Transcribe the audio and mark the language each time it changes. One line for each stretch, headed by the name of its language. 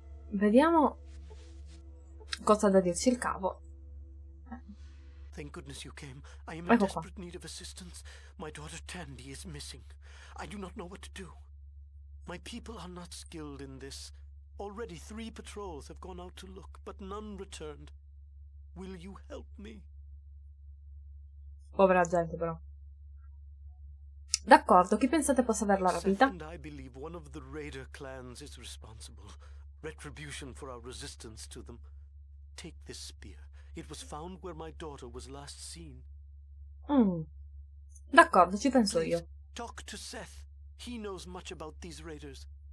Italian: Vediamo cosa ha da dirci il capo.
English: Thank goodness you came. I am in desperate need of assistance. My daughter Tandy is missing. I do not know what to do. My people are not skilled in this. Already 3 patrols have gone out to look, but none returned. Will you help me?
Italian: Povera gente, però. D'accordo, chi pensate possa averla rapita?
English: Seth and I believe one of the Raider clans is responsible. Retribution for our resistance to them. Take this spear. It was found where my daughter was last seen.
Italian: D'accordo, ci penso
English: Please,
Italian: io.
English: Talk to Seth. He knows much about these raiders.